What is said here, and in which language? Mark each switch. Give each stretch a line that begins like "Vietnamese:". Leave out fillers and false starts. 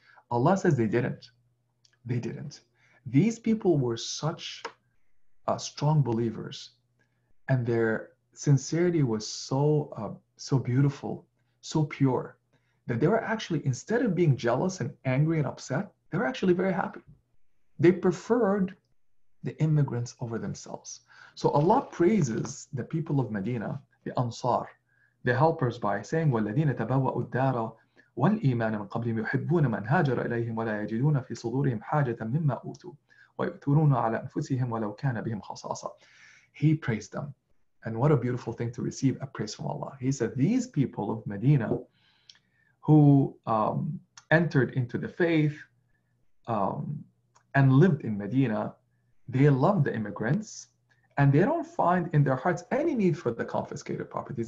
English: Allah says they didn't. They didn't. These people were such strong believers, and their sincerity was so beautiful, so pure, that they were actually, instead of being jealous and angry and upset, they were actually very happy. They preferred the immigrants over themselves. So Allah praises the people of Medina, the Ansar, the helpers, by saying,
Arabic: وَالَّذِينَ تَبَوَّأُوا الدَّارَ وَالْإِيمَانَ مِنْ قَبْلِهِمْ يُحِبُّونَ مَنْ هَاجَرَ إِلَيْهِمْ وَلَا يَجِدُونَ فِي صُدُورِهِمْ حَاجَةً مِمَّا أُوتُوا وَيُؤْثِرُونَ عَلَى أَنفُسِهِمْ وَلَوْ كَانَ بِهِمْ خَصَاصَةً.
English: He praised them. And what a beautiful thing to receive a praise from Allah. He said, these people of Medina who entered into the faith and lived in Medina, they loved the immigrants, and they don't find in their hearts any need for the confiscated properties.